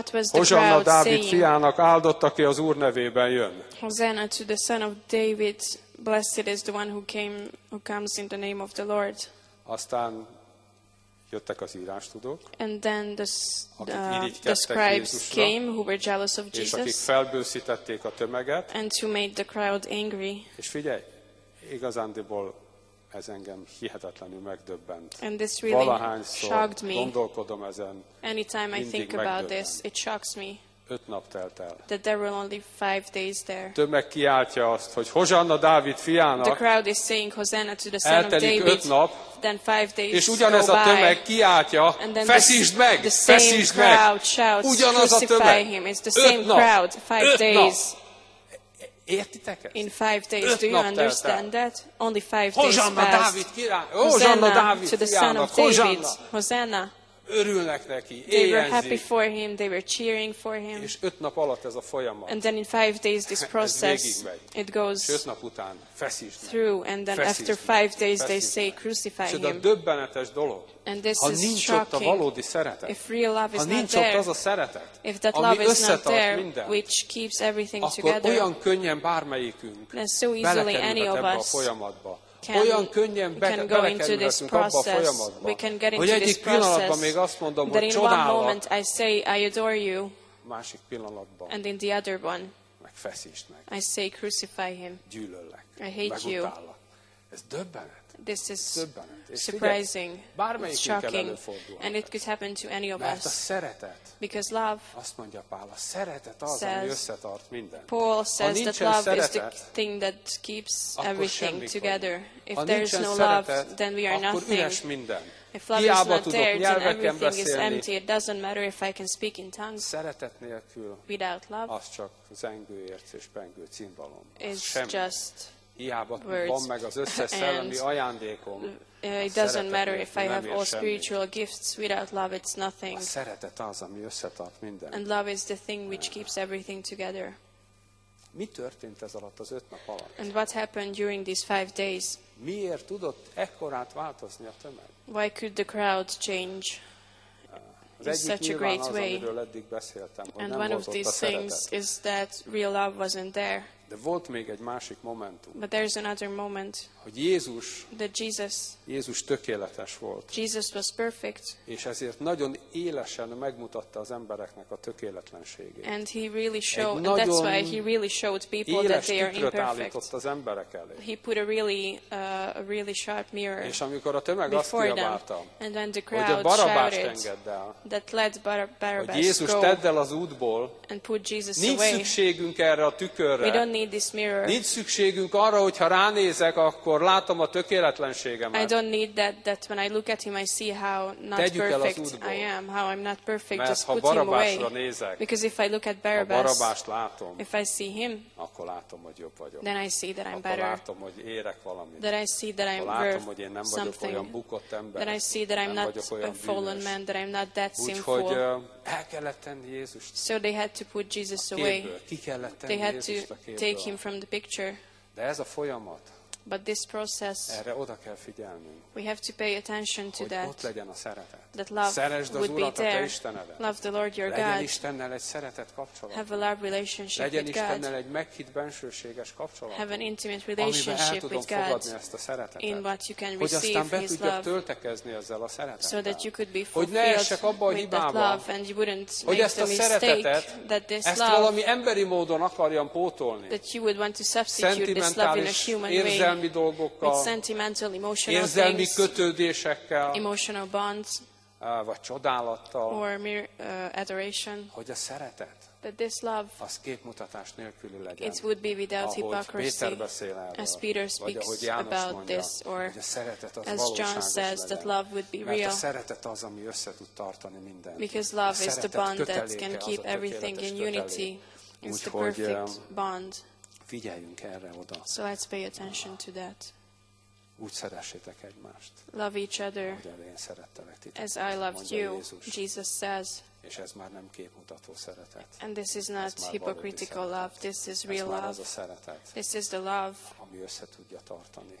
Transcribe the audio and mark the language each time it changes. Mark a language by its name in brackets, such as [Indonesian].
[Hungarian] Hosanna Dávid fiának, áldott, aki az Úr nevében jön. [English] Hosanna to the son of David, blessed is the one who comes in the name of the Lord. [Hungarian] Aztán jöttek az írástudók, [English] and then the scribes [Hungarian] Jézusra, [English] came who were jealous of Jesus, [Hungarian] és akik felbőszítették a tömeget, [English] and who made the crowd angry. [Hungarian] És figyelj, igazándiból ez engem hihetetlenül megdöbbent. [English] And this really [Hungarian] valahányszor [English] shocked me. [Hungarian] Gondolkodom ezen, [English] anytime I think [Hungarian] megdöbben. [English] About this, it shocks me. [Hungarian] Öt nap telt el. [English] That there were only 5 days there. [Hungarian] Tömeg kiáltja azt, hogy Hosanna Dávid fiának. [English] The crowd is saying Hosanna to the son [Hungarian] eltelik [English] of David. [Hungarian] Öt nap, [English] then 5 days [Hungarian] és ugyanez [English] go [Hungarian] a tömeg kiáltja, feszítsd meg, feszítsd meg. Ugyanaz a tömeg. [English] Him. It's the same crowd, five [Hungarian] öt [English] days. [Hungarian] Értitek ezt? [English] In 5 days, [Hungarian] öt [English] do you understand that? Only five [Hungarian] Hosanna [English] days [Hungarian] Dávid király. Hosanna Dávid [English] to the son of David. Hosanna. [Hungarian] örülnek neki, éjjelzik. [English] They were happy for him, they were cheering for him. [Hungarian] És 5 nap alatt ez a folyamat. [English] And then in 5 days this process, it goes. [Hungarian] 5 nap után feszítsd meg. [English] Through and then [Hungarian] feszítsd [English] after 5 days they say crucify him. [Hungarian] És ez a döbbenetes dolog. [English] And this [Hungarian] ha nincs [English] shocking, [Hungarian] ott a valódi szeretet. [English] If real love is [Hungarian] ha nincs ott az a szeretet, [English] if that love [Hungarian] ami [English] is not there, [Hungarian] mindent, [English] which keeps everything [Hungarian] akkor [English] together, [Hungarian] olyan könnyen bármelyikünk [English] so easily any of us [Hungarian] a folyamatba. Olyan könnyen belekerülhetünk abba a folyamatba, hogy egyik pillanatban még azt mondom, hogy csodálat, [English] I say, I adore you, [Hungarian] másik pillanatban, [English] and in the other one, [Hungarian] meg feszítsd meg, [English] I say, crucify him, [Hungarian] gyűlöllek, [English] I hate you. [Hungarian] Ez döbbenet. [English] This is surprising. It's shocking, and it could happen to any of [Hungarian] mert [English] us. [Hungarian] A szeretet, [English] because love, [Hungarian] azt mondja Pál, a szeretet az, ami összetart mindent. [English] Paul says that love [Hungarian] szeretet, [English] is the thing that keeps everything together. [Hungarian] Vagyunk. [English] If [Hungarian] ha [English] there is no [Hungarian] szeretet, [English] love, then we are nothing. If love [Hungarian] hiába [English] is not there, then everything [Hungarian] beszélni, [English] is empty. It doesn't matter if I can speak in tongues. [Hungarian] Szeretet nélkül, [English] without love, [Hungarian] az csak zengő érc és pengő cimbalom. [English] It's just [Hungarian] hiába van meg az összes szellemi ajándékom. [English] It doesn't matter if I have all spiritual gifts. Without love, it's nothing. [Hungarian] A szeretet az, ami összetart mindent. [English] And love is the thing which keeps everything together. [Hungarian] Mi történt ez alatt az 5 nap alatt? [English] And what happened during these 5 days? [Hungarian] Miért tudott ekkorát változni a tömeg? [English] Why could the crowd change in such a great way? [Hungarian] Az, amiről eddig beszéltem, [English] and one of these things is that real love wasn't there. [Hungarian] De volt még egy másik momentum. [English] But there's another moment. [Hungarian] Hogy Jézus, [English] that Jesus, [Hungarian] Jézus tökéletes volt. [English] Jesus was perfect. [Hungarian] És ezért nagyon élesen megmutatta az embereknek a tökéletlenségét. [English] And he really showed, and that's why he really showed people that they are imperfect. [Hungarian] Éles tükröt állított az emberek elé. [English] He put a really sharp mirror. [Hungarian] És amikor a tömeg azt kiabálta, [English] and when the crowd [Hungarian] hogy a Barabást [English] shouted, [Hungarian] engedd el, [English] that let Barabbas [Hungarian] hogy Jézus tedd el az útból, [English] and put Jesus [Hungarian] nincs [English] away. [Hungarian] Szükségünk erre a tükörre. [English] We don't need this mirror. [Hungarian] Nincs szükségünk arra, hogyha ránézek, akkor látom a tökéletlenségemet. [English] I don't need that when I look at him I see how not [Hungarian] tegyük [English] perfect I am, how I'm not perfect. [Hungarian] Mert [English] just put [Hungarian] Barabásra [English] him away. [Hungarian] Nézek, [English] because if I look at Barabbas, if I see him, [Hungarian] akkor látom, hogy jobb vagyok. [English] Then I see that I'm [Hungarian] akkor [English] better. [Hungarian] Látom, hogy érek valamit. [English] That I see that I'm [Hungarian] akkor látom, [English] worth [Hungarian] én nem [English] something. [Hungarian] Olyan bukott ember, [English] that I see that I'm not [Hungarian] olyan [English] a fallen man, that I'm not that sinful. [Hungarian] Úgyhogy el kellett tenni Jézust. [English] So they had to put Jesus away. [Hungarian] Ki kellett tenni [English] they had [Hungarian] Jézust [English] to [Hungarian] a [English] take him from the picture. [Hungarian] De ez a folyamat. [English] But this process, [Hungarian] erre oda kell figyelnünk, [English] we have to pay attention to [Hungarian] hogy [English] that. [Hungarian] Ott legyen a szeretet. [English] That love [Hungarian] szeresd az [English] would be [Hungarian] Urat, [English] there. [Hungarian] A te Istenedet. [English] Love the Lord your [Hungarian] legyen [English] God. [Hungarian] Istennel egy szeretet kapcsolat. [English] Have a love relationship [Hungarian] legyen [English] with God. [Hungarian] Legyen Istennel egy meghitt bensőséges kapcsolat. [English] Have an intimate relationship with God. [Hungarian] Amiben el tudom fogadni ezt a szeretetet. [English] In what you can receive [Hungarian] hogy aztán be tudjak [English] love, [Hungarian] töltekezni ezzel a szeretettel. [English] So that you could be [Hungarian] hogy ne essek abba a hibába, hogy ezt a szeretetet, ezt [English] love, [Hungarian] valami emberi módon akarjam pótolni. [English] That you would want to substitute this love in a human way. [Hungarian] Érzelmi dolgokkal, [English] with sentimental, emotional [Hungarian] érzelmi [English] things, [Hungarian] kötődésekkel, [English] emotional bonds, [Hungarian] vagy csodálattal, [English] or mere, adoration, [Hungarian] hogy a szeretet, [English] that this love, [Hungarian] az képmutatás nélküli legyen, [English] it would be without [Hungarian] ahogy [English] hypocrisy, [Hungarian] Péter beszél erről, [English] as Peter speaks [Hungarian] vagy ahogy János [English] about [Hungarian] mondja, [English] this, or [Hungarian] hogy a szeretet az [English] as John says, [Hungarian] legyen, [English] that love would be real, [Hungarian] mert a szeretet az, ami össze tud tartani mindent, [English] because love is the bond [Hungarian] kötelék, [English] that can keep everything in unity, it's the perfect bond. [Hungarian] Figyeljünk erre oda. [English] So let's pay attention to that. [Hungarian] Úgy szeressétek egymást. [English] Love each other. [Hungarian] Ahogy én szerettelek titeket. [English] As I loved you, Jesus says. [Hungarian] És ez már nem képmutató szeretet. [English] And this is not hypocritical love. This is real love. [Hungarian] Ez már az a szeretet. [English] This is the love. [Hungarian] Ami össze tudja tartani.